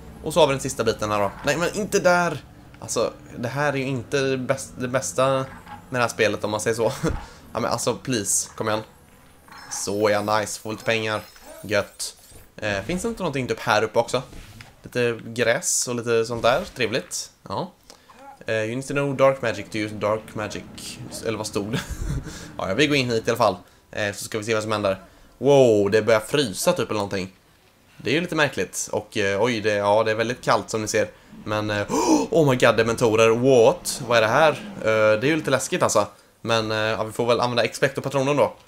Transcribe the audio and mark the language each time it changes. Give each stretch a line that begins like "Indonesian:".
Swedish: Och så har vi den sista biten här då. Nej, men inte där. Alltså, det här är ju inte det bästa med det här spelet om man säger så. Ja, men alltså, please. Kom igen. Så ja, nice. Få lite pengar. Gött. Finns det inte någonting typ här uppe också? Lite gräs och lite sånt där. Trevligt. Ja.
English: You need to know dark magic to use dark magic.
Swedish: Eller vad stod det? Ja, vi går in hit i alla fall. Så ska vi se vad som händer. Wow, det börjar frysa typ eller någonting. Det är ju lite märkligt. Och oj, det, ja, det är väldigt kallt som ni ser. Men,
English: oh my god,
Swedish: dementorer. What? Vad är det här? Det är ju lite läskigt alltså. Men vi får väl använda expecto patronum då.